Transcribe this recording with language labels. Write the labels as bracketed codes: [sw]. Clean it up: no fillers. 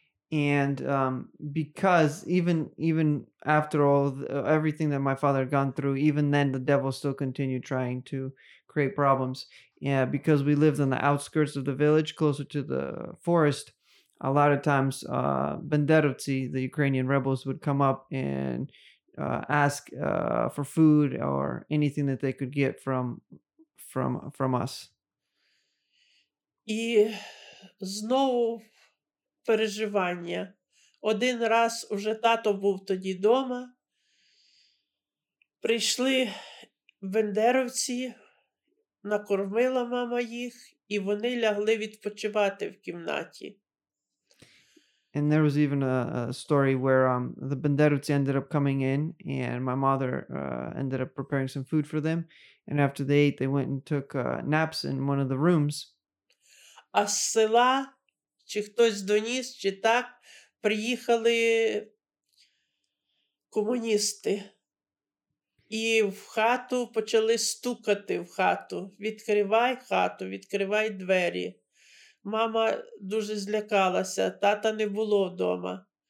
[en] And because even after all everything that my father had gone through, even then the devil still continued trying to create problems. Yeah, because we lived on the outskirts of the village, closer to the forest, a lot of times Banderovtsi, the Ukrainian rebels, would come up and ask for food or anything that they could get from us. [uk] І знову переживання. Один раз уже тато був тоді вдома, прийшли бендеровці, накормила мама їх, і вони лягли відпочивати в кімнаті. [en] And there was even a story where the Banderovtsi ended up coming in, and my mother ended up preparing some food for them. And after they ate, they went and took naps in one of the rooms. [uk] А з села, чи хтось доніс, чи так, приїхали комуністи. І в хату почали стукати, в хату. Відкривай хату, відкривай двері. Мама дуже злякалася, тата не було вдома.